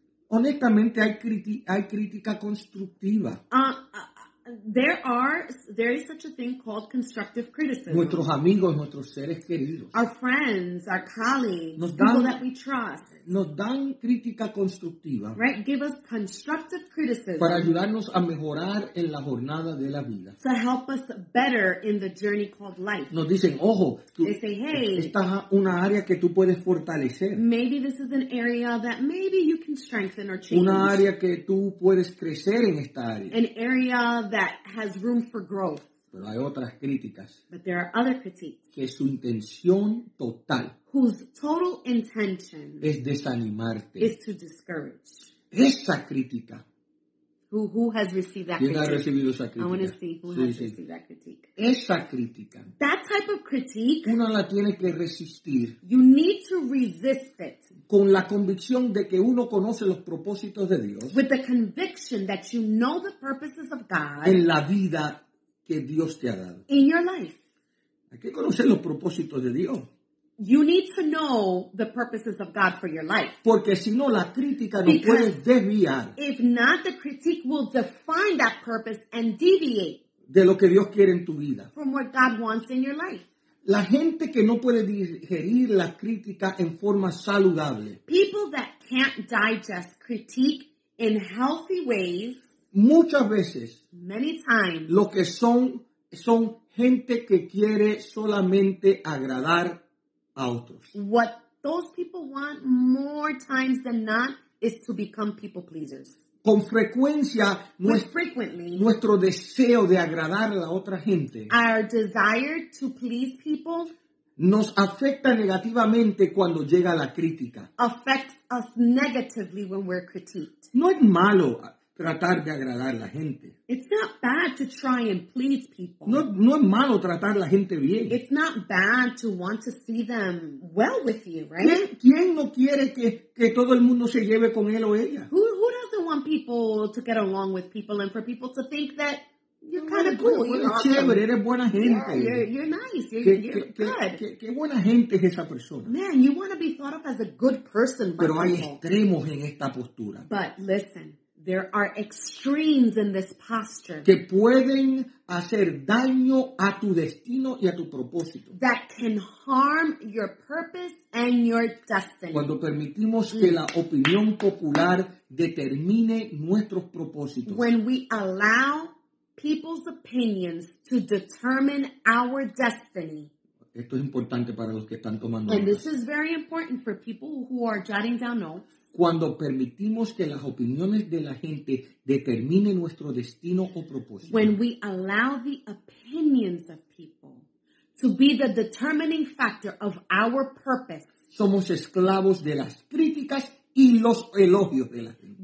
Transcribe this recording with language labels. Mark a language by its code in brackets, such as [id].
[es] Honestamente, hay crítica constructiva. [en] There is such a thing called constructive criticism. [es] Nuestros amigos, nuestros seres queridos. [en] Our friends, our colleagues, people that we trust. [es] Nos dan crítica constructiva. [en] Right? Give us constructive criticism. [es] Para ayudarnos a mejorar en la jornada de la vida. [en] To help us better in the journey called life. [es] Nos dicen, ojo. Tú, [en] they say, hey. [es] Esta es una área que tú puedes fortalecer. [en] Maybe this is an area that maybe you can strengthen or change. [es] Una área que tú puedes crecer en esta área. [en] An area that has room for growth. [es] Pero hay otras críticas. [en] But there are other critiques. [es] Que su intención total. [en] Whose total intention [es] es desanimarte. [en] Is to discourage. [es] Esa crítica. [en] Who has received that [es] ¿quién [en] critique? [es] Ha recibido esa crítica? [en] I want to see who [es] sí, [en] has [es] sí. [en] Received that critique. [es] Esa crítica. [en] That type of critique. [es] Uno la tiene que resistir. [en] You need to resist it. [es] Con la convicción de que uno conoce los propósitos de Dios. [en] With the conviction that you know the purposes of God. [es] En la vida que Dios te ha dado. [en] In your life. [es] Hay que conocer los propósitos de Dios. [en] You need to know the purposes of God for your life. [es] Porque si no, la crítica no puede desviar. [en] If not, the critique will define that purpose and deviate. [es] De lo que Dios quiere en tu vida. [en] From what God wants in your life. [es] La gente que no puede digerir la crítica en forma saludable. [en] People that can't digest critique in healthy ways. [es] Muchas veces. [en] Many times. [es] Lo que son gente que quiere solamente agradar. [en] What those people want more times than not is to become people pleasers. [es] Con frecuencia, nuestro deseo de agradar a la otra gente. [en] Our desire to please people. [es] Nos afecta negativamente cuando llega la crítica. [en] Affects us negatively when we're critiqued. [es] No es malo tratar de agradar a la gente. [en] It's not bad to try and please people. [es] No es malo tratar a la gente bien. [en] It's not bad to want to see them well with you, right? [es] ¿Quién no quiere que todo el mundo se lleve con él o ella? [en] Who doesn't want people to get along with people and for people to think that you're kind of cool? [es] Chévere, eres buena gente. [en] Yeah, you're nice. You're good. [es] ¿Qué buena gente es esa persona? [en] Man, you want to be thought of as a good person. [es] Pero [en] by [es] hay [en] people. [es] Extremos en esta postura. [en] But listen. There are extremes in this posture [es] que pueden hacer daño a tu destino y a tu propósito. [en] That can harm your purpose and your destiny. [es] Cuando permitimos que la opinión popular determine nuestros propósitos. [en] When we allow people's opinions to determine our destiny. [es] Esto es importante para los que están tomando notas. [en] And this is very important for people who are jotting down notes. [es] Cuando permitimos que las opiniones de la gente determinen nuestro destino o propósito. [en] When we allow the opinions of people to be the determining factor of our purpose. [es] Somos esclavos de las críticas y los elogios de la gente.